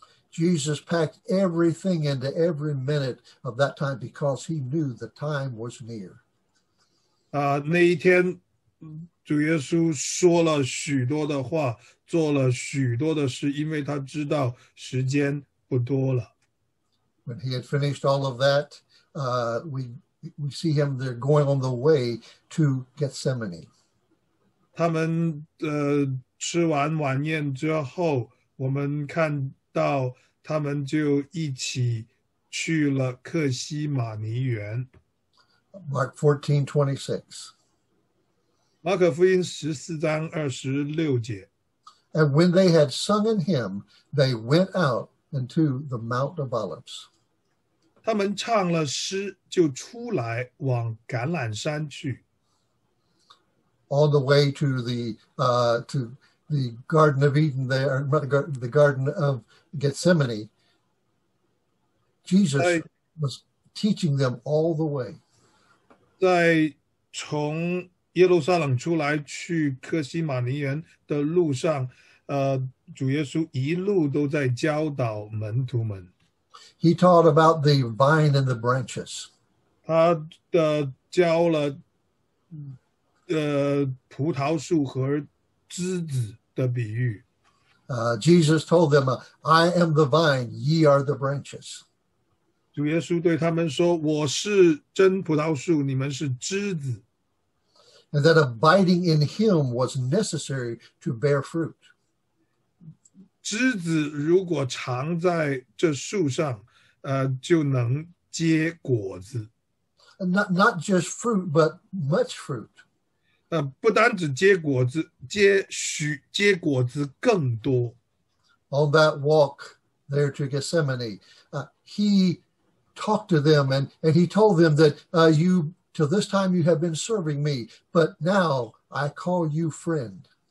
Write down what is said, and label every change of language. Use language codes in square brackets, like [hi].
[en] Jesus packed everything into every minute of that time because he knew the time was near. [zh] 那一天，主耶稣说了许多的话，做了许多的事，因为他知道时间不多了。 [en] When he had finished all of that, we see him there going on the way to Gethsemane. [zh] 他们吃完晚宴之后，我们看到他们就一起去了客西马尼园。 [en] Mark 14:26. [zh] 马可福音十四章二十六节。 [en] And when they had sung a hymn, they went out into the Mount of Olives. [zh] 他们唱了诗，就出来往橄榄山去。 [en] On the way to the Garden of Eden, the Garden of Gethsemane, Jesus was teaching them all the way. [zh] 在从耶路撒冷出来去客西马尼园的路上，主耶稣一路都在教导门徒们。 [en] He taught about the vine and the branches. [zh] 他的教了葡萄树和枝子的比喻。 [en] Jesus told them, "I am the vine; ye are the branches." [zh] 主耶稣对他们说：“我是真葡萄树，你们是枝子。” [en] And that abiding in Him was necessary to bear fruit. [zh] 枝子如果藏在这树上，就能结果子。 [en] Not just fruit, but much fruit. [zh] 不单只结果子，结果子更多。 [en] On that walk there to Gethsemane, he talked to them and he told them that till this time you have been serving me, but now I call you friend.